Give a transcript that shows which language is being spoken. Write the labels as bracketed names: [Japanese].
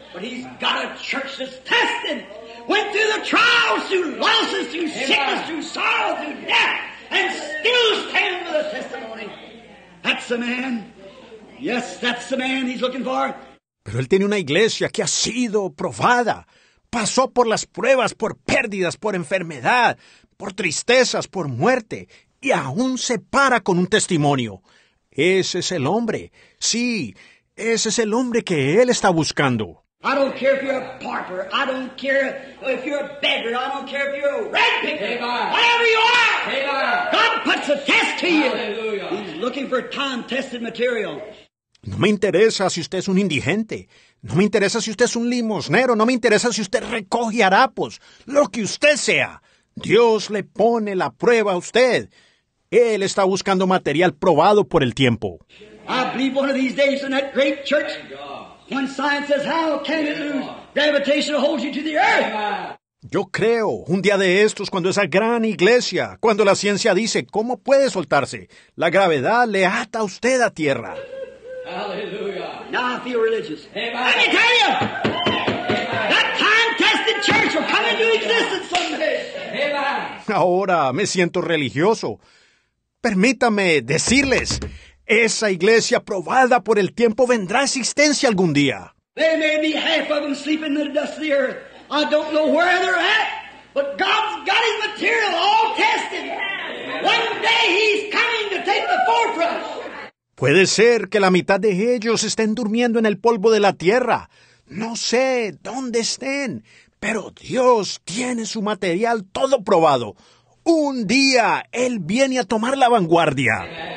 [English] But he's got a church that's tested. Went through the trials, through losses, through sickness, through sorrow, through death, and still stand with a testimony. That's the man. Yes, that's the man he's looking for. [Spanish] Pero él tiene una iglesia que ha sido probada. Pasó por las pruebas, por pérdidas, por enfermedad, por tristezas, por muerte, y aún se para con un testimonio. Ese es el hombre. Sí, ese es el hombre que él está buscando. [English] I don't care if you're a pauper. I don't care if you're a beggar. I don't care if you're a rag picker. Whatever you are, God puts a test to you. He's looking for time-tested material. [Spanish] No me interesa si usted es un indigente. No me interesa si usted es un limosnero. No me interesa si usted recoge harapos. Lo que usted sea. Dios le pone la prueba a usted. Él está buscando material probado por el tiempo. [English] I believe one of these days in that great church, when science says, how can it lose? Gravitation holds you to the earth. [Spanish] Yo creo, un día de estos, cuando esa gran iglesia, cuando la ciencia dice, ¿cómo puede soltarse? La gravedad le ata a usted a tierra. [English] Now I feel religious. Amen. Let me tell you, that time-tested church will come into existence someday. [Spanish] Ahora me siento religioso. Permítame decirles, esa iglesia probada por el tiempo vendrá a existencia algún día. [English] They may be half of them sleeping in the dust of the earth. I don't know where they're at, but God's got his material all tested. One day he's coming to take the forefront. [Spanish] Puede ser que la mitad de ellos estén durmiendo en el polvo de la tierra. No sé dónde estén, pero Dios tiene su material todo probado. Un día Él viene a tomar la vanguardia.